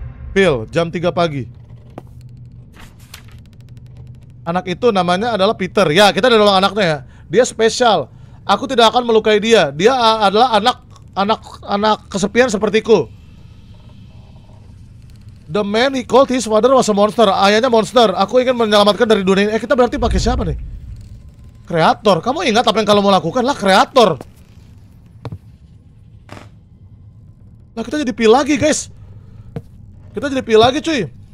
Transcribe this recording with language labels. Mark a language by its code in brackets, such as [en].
[id] Phil, jam 3 pagi. Anak itu namanya adalah Peter. Ya, kita udah nolong anaknya ya. Dia spesial. Aku tidak akan melukai dia. Dia adalah anak kesepian sepertiku. [en] The man he called his father was a monster. [id] Ayahnya monster. Aku ingin menyelamatkan dari dunia ini. Kita berarti pakai siapa nih? Kreator. Kamu ingat apa yang kamu lakukan? Lah, kreator. Lah, kita jadi pil lagi, guys. Kita jadi pil lagi, cuy.